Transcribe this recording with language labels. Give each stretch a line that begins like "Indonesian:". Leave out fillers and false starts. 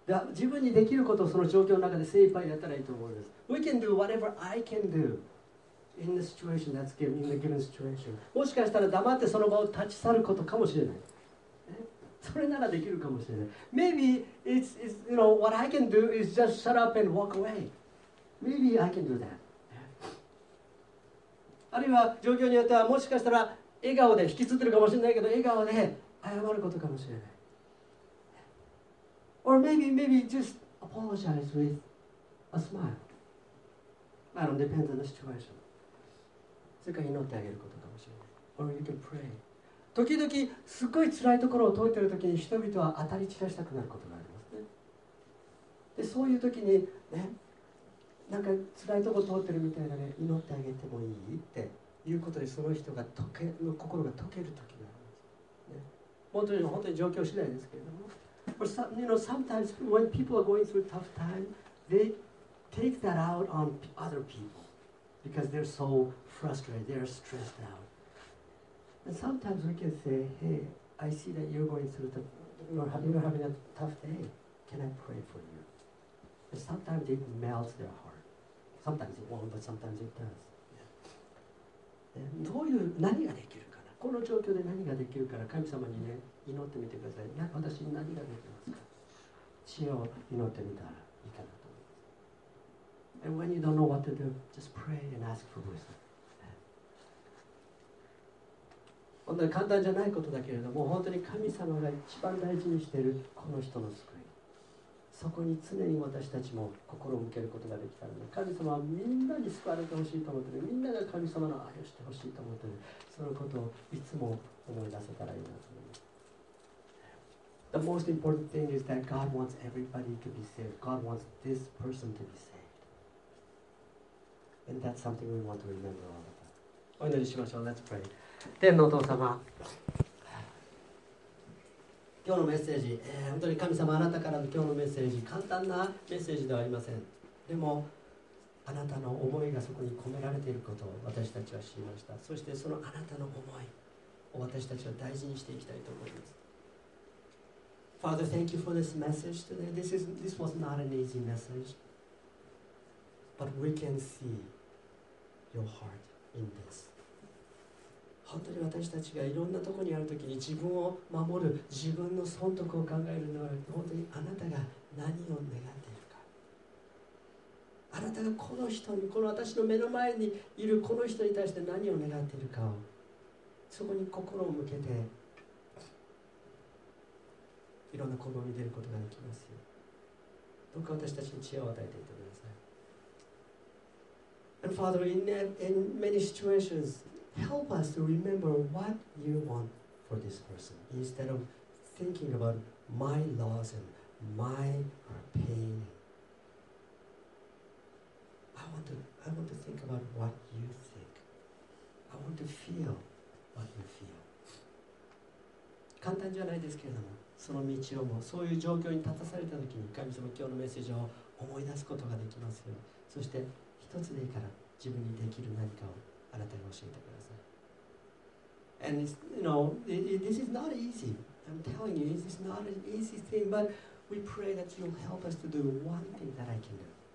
Japanese: 自分にできることをその状況の中で精一杯やったらいいと思うんです。
English: We can do whatever I can do in the situation that's given, in the given situation.
Japanese: もしかしたら黙ってその場を立ち去ることかもしれない。それならできるかもしれない。
English: Maybe it's you know, what I can do is just shut up and walk away. Maybe I can do that.
Japanese: あるいは状況によってはもしかしたら笑顔で引きつってるかもしれないけど、笑顔で謝ることかもしれない。
English: Or maybe just apologize with a smile. I don't depend on the situation.
Japanese: それから祈ってあげることかもしれない。
English: Or you can pray.
Japanese: 時々すっごい辛いところを通っているときに人々は当たり散らしたくなることがありますね。で、そういうときにね、なんか辛いところを通ってるみたいなね、祈ってあげてもいいっていうことで、その人が溶け、心が溶けるときがあります、ね。本当に状況次第ですけれども。
English: Or some, you know, sometimes when people are going through a tough time, they take that out on other people because they're so frustrated, they're stressed out. Sometimes we can say, hey, I see that you're going through the, you're having a tough day. Can I pray for you? But sometimes it melts their heart. Sometimes it won't, but sometimes it does.
Japanese: どういう何ができるかな、この状況で何ができるから、神様にね祈ってみてください。私に何ができますか、知恵を祈ってみたらいいかなと思います。
English: And when you don't know what to do, just pray and ask for wisdom.
Japanese: 本当に簡単じゃないことだけれども、本当に神様が一番大事にしているこの人の救い、そこに常に私たちも心を向けることができたので、神様はみんなに救われてほしいと思っている、みんなが神様の愛をしてほしいと思っている、そのことをいつも思い出せたらいいなと思います。
English: The most important thing is that God wants everybody to be saved. God wants this person to be saved. And that's something we want to remember all the time.
Japanese: お祈りしましょう。
English: Let's pray.
Japanese: 天のお父様、今日のメッセージ、本当に神様、あなたからの今日のメッセージ、簡単なメッセージではありません。でもあなたの思いがそこに込められていることを私たちは知りました。そしてそのあなたの思いを私たちは大事にしていきたいと思います。
English: Father, thank you for this message today. This was not an easy message, but we can see your heart in this.
Japanese: 本当に私たちがいろんなところにあるときに、自分を守る、自分の損得を考えるのは、本当にあなたが何を願っているか、あなたがこの人に、この私の目の前にいるこの人に対して何を願っているかを、そこに心を向けていろんな行動に出ることができますよ。どうか私たちに知恵を与えていただきください。
English: And Father, in many situationsHelp us to remember what you want for this person instead of thinking about my loss and my pain. I want to think about what you think. I want to feel what you feel.
Japanese: 簡単じゃないですけれども、その道をも、そういう状況に立たされた時に、神様、今日のメッセージを思い出すことができますよ。そして一つでいいから、自分にできる何かをあなたに教えてください。
English: And it's, you know, this is not easy. I'm telling you, this is not an easy thing, but we pray that you'll help us to do one thing that I can do.